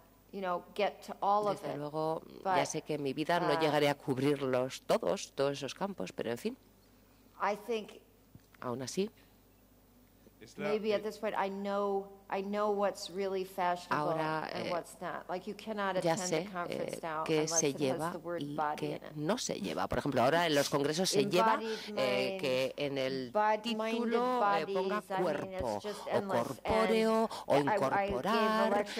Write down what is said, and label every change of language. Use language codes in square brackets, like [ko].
[es] Desde luego, ya sé que en mi vida no llegaré a cubrirlos todos esos campos, pero en fin. [en] I think, [es] aún así, [en] maybe at this point I know what's really fashionable and what's not. Like you cannot attend a conference now unless it has the word body in it. [es] Que no se lleva. Por ejemplo, ahora en los congresos se lleva que en el título ponga cuerpo o corpóreo o incorporar.